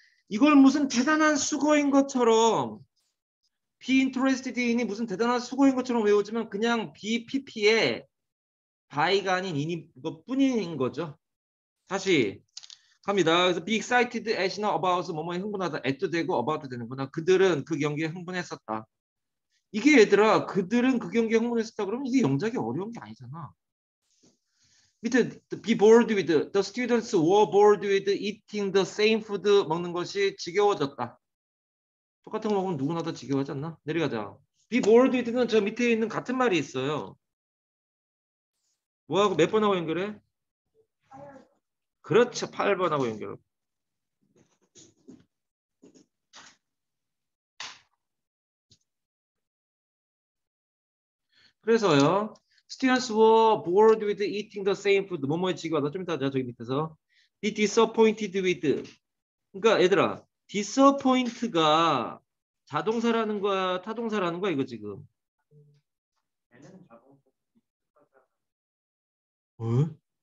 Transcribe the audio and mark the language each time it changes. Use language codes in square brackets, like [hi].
[ko] 이걸 무슨 대단한 수고인 것처럼 [en] be interested in [ko] 이 무슨 대단한 수고인 것처럼 외우지만 그냥 BPP에 by가 아닌 in이 그것뿐인 거죠. 다시 갑니다. 그래서 [en] be excited at [ko] 이나 about 뭐뭐에 흥분하다. at도 되고 about도 되는구나. 그들은 그 경기에 흥분했었다. 이게 얘들아, 그들은 그 경기에 흥분했었다. 그러면 이게 영작이 어려운 게 아니잖아. 밑에 [en] be bored with, the students were bored with eating the same food. [ko] 먹는 것이 지겨워졌다. 똑같은 거 먹으면 누구나 다 지겨워하지 않나? 내려가자. be bored with는 저 밑에 있는 같은 말이 있어요. 뭐하고 몇 번하고 연결해? 그렇죠. 8번하고 연결. 그래서요. [en] Students were bored with eating the same food. [ko] 뭐뭐에 지겨워하다. 좀 이따 저기 밑에서. [en] Be disappointed with. [ko] 그러니까 얘들아, disappoint가 자동사라는 거야, 타동사라는 거야, 이거 지금. 응?